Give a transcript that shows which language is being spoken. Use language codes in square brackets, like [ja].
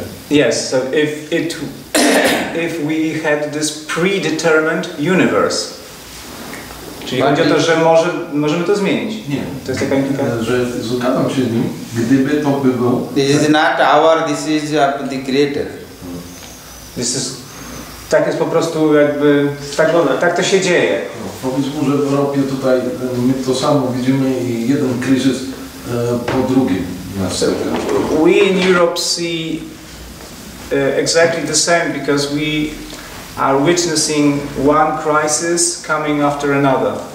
[en] Yes, so if we had this predetermined universe. [pl] Czyli chodzi o to, że możemy to zmienić. Nie. To jest taka implikacja. Że zgadzam się z nim, gdyby to by było. [en] This is not our, this is the creator. This is, [pl] tak jest po prostu jakby, tak to się dzieje. No, powiedzmy, że w Europie tutaj my to samo widzimy i jeden kryzys po drugim. [en] We in Europe see exactly the same because we are witnessing one crisis coming after another.